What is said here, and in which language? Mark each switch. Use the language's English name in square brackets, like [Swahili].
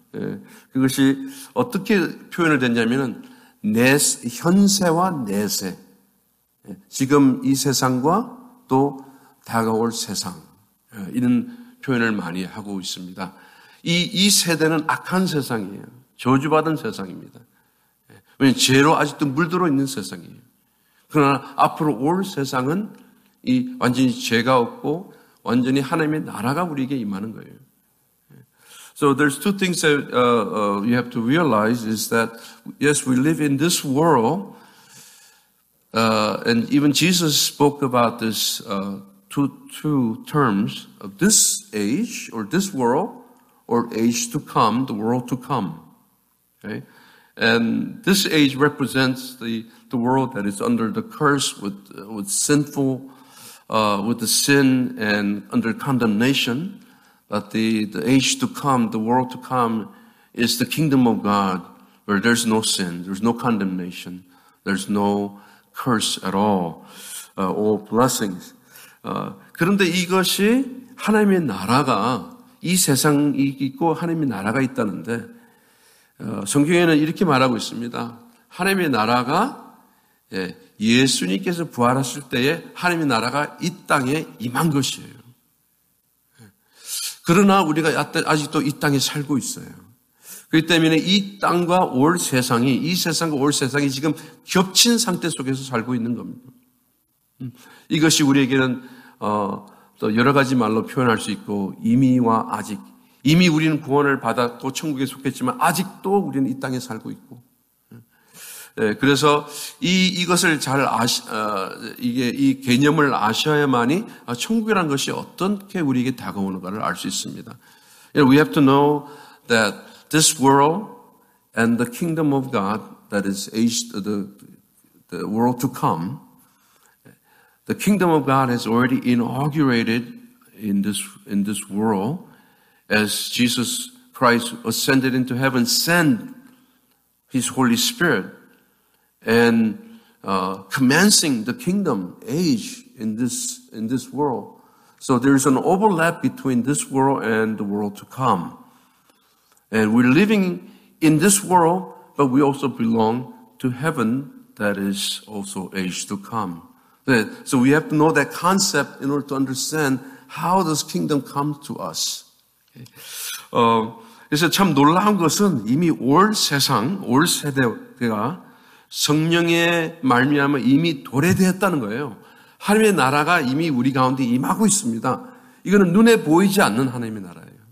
[Korean] 예, 그것이 어떻게 표현을 됐냐면은 현세와 내세, 예, 지금 이 세상과 또 다가올 세상, 예, 이런 표현을 많이 하고 있습니다. 이 세대는 악한 세상이에요. 저주받은 세상입니다. 예, 왜냐하면 죄로 아직도 물들어 있는 세상이에요. 그러나 앞으로 올 세상은 이 완전히 죄가 없고 완전히 하나님의 나라가 우리에게 임하는 거예요. [English] So there's two things that you have to realize is that yes, we live in this world, and even Jesus spoke about this two terms of this age or this world or age to come, the world to come. Okay, and this age represents the world that is under the curse with sinful. With the sin and under condemnation, but the age to come, the world to come, is the kingdom of God, where there's no sin, there's no condemnation, there's no curse at all, all blessings. [Korean] 그런데 이것이 하나님의 나라가 이 세상이 있고 하나님의 나라가 있다는데 성경에는 이렇게 말하고 있습니다. 하나님의 나라가 예수님께서 부활하실 때에 하나님의 나라가 이 땅에 임한 것이에요. 그러나 우리가 아직도 이 땅에 살고 있어요. 그렇기 때문에 이 땅과 올 세상이, 이 세상과 올 세상이 지금 겹친 상태 속에서 살고 있는 겁니다. 이것이 우리에게는 또 여러 가지 말로 표현할 수 있고 이미와 아직, 이미 우리는 구원을 받았고 천국에 속했지만 아직도 우리는 이 땅에 살고 있고. 그래서 이것을 잘 이 개념을 아셔야만이 천국이라는 것이 어떻게 우리에게 다가오는가를 알 수 있습니다. [English] We have to know that this world and the kingdom of God that is the world to come, the kingdom of God has already inaugurated in this world as Jesus Christ ascended into heaven, sent His Holy Spirit. And commencing the kingdom age in this world, so there is an overlap between this world and the world to come. And we're living in this world, but we also belong to heaven that is also age to come. So we have to know that concept in order to understand how this kingdom comes to us. Okay. [Korean] 그래서 참 놀라운 것은 이미 올 세상, 올 세대가 성령의 말미암아 이미 도래되었다는 거예요. 하나님의 나라가 이미 우리 가운데 임하고 있습니다. 이거는 눈에 보이지 않는 하나님의 나라예요.